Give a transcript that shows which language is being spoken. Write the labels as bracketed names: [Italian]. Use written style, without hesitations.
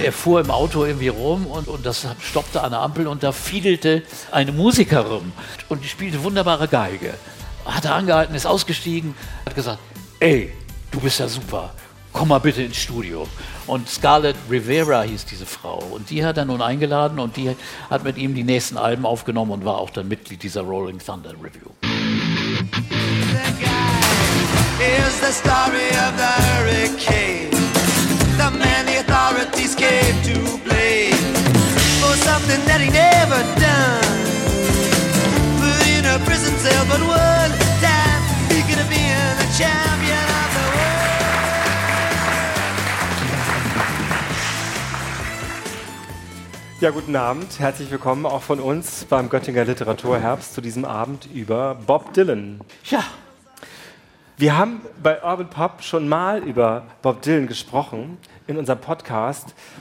[German] Er fuhr im Auto irgendwie rum und das stoppte an der Ampel und da fiedelte eine Musikerin und die spielte wunderbare Geige. Hat er angehalten, ist ausgestiegen, hat gesagt, ey, du bist ja super, komm mal bitte ins Studio. Und Scarlett Rivera hieß diese Frau und die hat er nun eingeladen und die hat mit ihm die nächsten Alben aufgenommen und war auch dann Mitglied dieser Rolling Thunder Review. [English] Here's the story of the hurricane. The man the authorities came to blame for something that he never done. Put in a prison cell, but one time he could have been a champion of the world. [German] Ja, guten Abend, herzlich willkommen auch von uns beim Göttinger Literaturherbst zu diesem Abend über Bob Dylan. Ja. Wir haben bei Urban Pop schon mal über Bob Dylan gesprochen in unserem Podcast.